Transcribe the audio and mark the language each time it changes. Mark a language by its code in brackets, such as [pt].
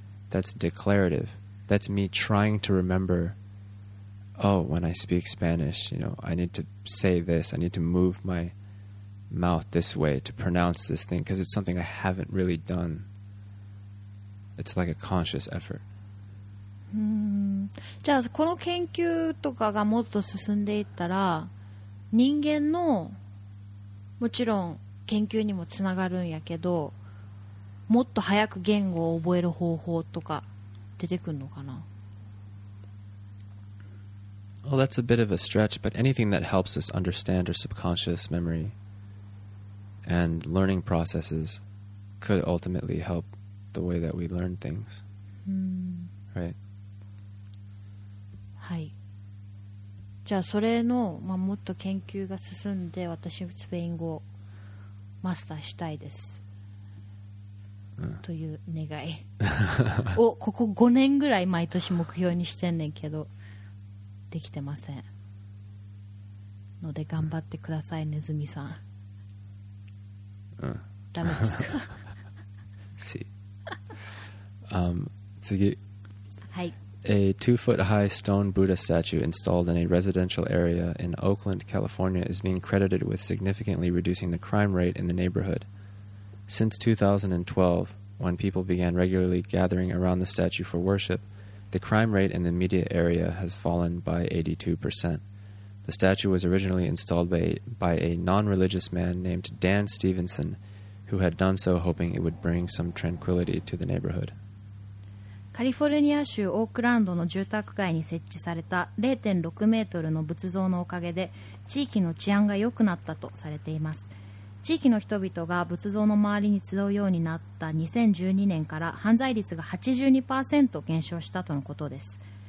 [en] That's declarative. That's me trying to remember, oh, when I speak Spanish, you know, I need to say this. I need to move my mouth this way to pronounce this thing because it's something I haven't really done. It's like a conscious effort. [ja] じゃあこの研究とかがもっと進んでいったら人間のもちろん研究にもつながるんやけどもっと早く言語を覚える方法とか出てくるのかな [en] Well, that's a bit of a stretch, but anything that helps us understand our subconscious memory and learning processes could ultimately help the way that we learn things. Right? [ja] はい、じゃあそれの、まあ、もっと研究が進んで私スペイン語をマスターしたいです、うん、という願いをここ5年ぐらい毎年目標にしてんねんけどできてませんので頑張ってくださいネズミさん、うん、ダメですか [en] See. [ja] 次はい [en] A 2-foot-high stone Buddha statue installed in a residential area in Oakland, California is being credited with significantly reducing the crime rate in the neighborhood. Since 2012, when people began regularly gathering around the statue for worship, the crime rate in the immediate area has fallen by 82%. The statue was originally installed by a non-religious man named Dan Stevenson, who had done so hoping it would bring some tranquility to the neighborhood. [ja] カリフォルニア州オークランドの住宅街に設置された 0.6 メートルの仏像のおかげで地域の治安が良くなったとされています地域の人々が仏像の周りに集うようになった2012年から犯罪率が 82% 減少したとのことです